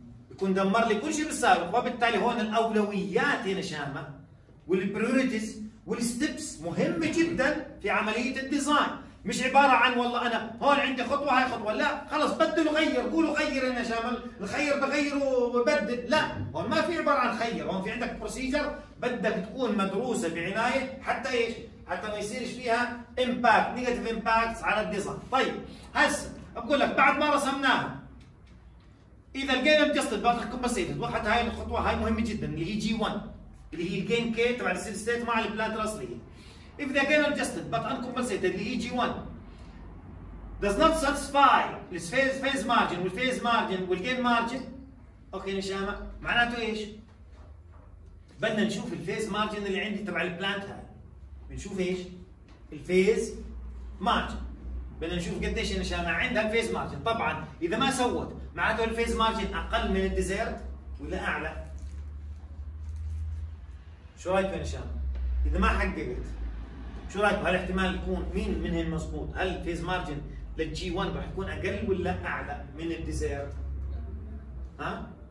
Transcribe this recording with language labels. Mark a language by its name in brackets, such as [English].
[Arabic] بكون دمر لي كل شيء بالسابق، وبالتالي هون الاولويات هنا شامه، والبريوريتيز والستبس مهمه جدا في عمليه الديزاين، مش عباره عن والله انا هون عندي خطوه هاي خطوه، لا خلص بدل وغير، قولوا غير هنا شامل، الخير بغير وبدل، لا هون ما في عباره عن خير، هون في عندك بروسيجر بدك تكون مدروسه بعنايه حتى ايش؟ حتى ما يصيرش فيها امباكت، نيجاتيف امباكت على الديزاين. طيب هسه بقول لك بعد ما رسمناها، اذا الجين ادجستد بارتر كومبنسيتد، وضحت هاي الخطوه هاي مهمه جدا اللي هي جي 1 اللي هي الجين كي تبع السيتي ستيت مع البلانت الاصليه. [English] If the gain adjusted but uncompensated the EG1 does not satisfy the phase margin with phase margin with gain margin. [Arabic] اوكي نشامة، معناته ايش؟ بدنا نشوف الفيز مارجن اللي عندي تبع البلانت هاي. بنشوف ايش؟ الفيز مارجن. بدنا نشوف قديش نشامة عندها الفيز مارجن. طبعا اذا ما سوت معناته الفيز مارجن اقل من الديزيرت ولا اعلى؟ شو رايك يا نشامة؟ اذا ما حققت شو رايكم؟ هل احتمال يكون مين منهم مضبوط؟ هل الفيز مارجن للجي 1 راح يكون اقل ولا اعلى من الديزيرت؟ ها؟